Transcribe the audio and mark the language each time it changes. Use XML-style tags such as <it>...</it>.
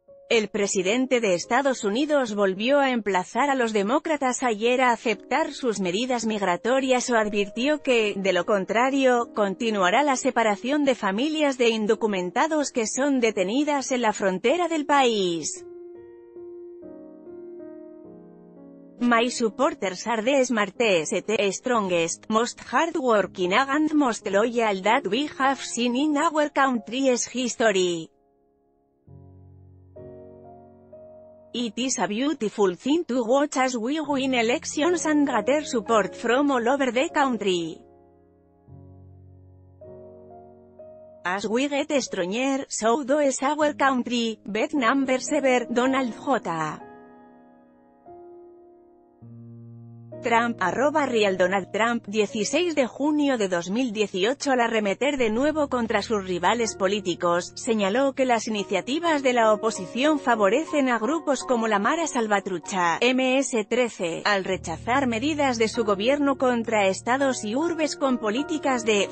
<es>El presidente de Estados Unidos volvió a emplazar a los demócratas ayer a aceptar sus medidas migratorias o advirtió que, de lo contrario, continuará la separación de familias de indocumentados que son detenidas en la frontera del país.</es> <en>My supporters are the smartest, strongest, most hardworking and most loyal that we have seen in our country's history. It is a beautiful thing to watch as we win elections and gather support from all over the country. As we get stronger, so does our country, best numbers ever, Donald J.</en> <es>Trump, arroba Real Donald Trump, 16 de junio de 2018 al arremeter de nuevo contra sus rivales políticos, señaló que las iniciativas de la oposición favorecen a grupos como la Mara Salvatrucha, MS-13, al rechazar medidas de su gobierno contra estados y urbes con políticas de</es>